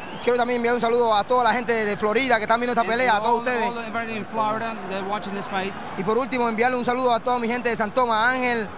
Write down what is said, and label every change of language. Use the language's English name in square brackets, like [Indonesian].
[Spanish] Quiero también enviar un saludo a toda la gente de Florida que están viendo esta pelea, a todos ustedes. [English] All the people in Florida that are watching this fight. [Spanish] Y por último, enviarle un saludo a toda mi gente de San Tomás, Ángel.